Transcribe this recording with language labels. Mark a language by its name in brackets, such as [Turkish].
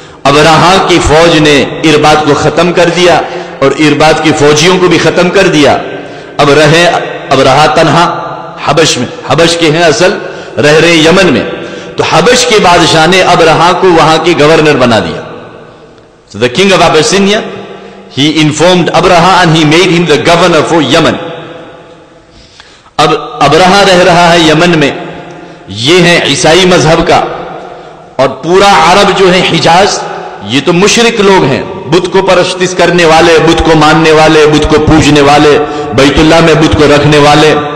[Urdu] ابرہا کی فوج نے ارباط کو ختم کر دیا اور ارباط کی فوجیوں کو بھی ختم کر دیا. اب رہے ابرہا تنہا حبش میں، حبش کے ہیں اصل، رہ رہے یمن میں. تو حبش کے بادشاہ نے ابرہا کو وہاں کے گورنر بنا دیا. [English] So the king of Abyssinia, he informed Abraha and he made him the governor for Yemen. [Urdu] اب ابرہا رہ رہا ہے یمن میں، یہ ہے عیسائی مذہب کا، اور پورا عرب جو ہے حجاز یہ تو مشرک لوگ ہیں، بت کو پرستش کرنے والے، بت کو ماننے والے، بت کو پوجنے والے، بیت اللہ میں بت کو رکھنے والے.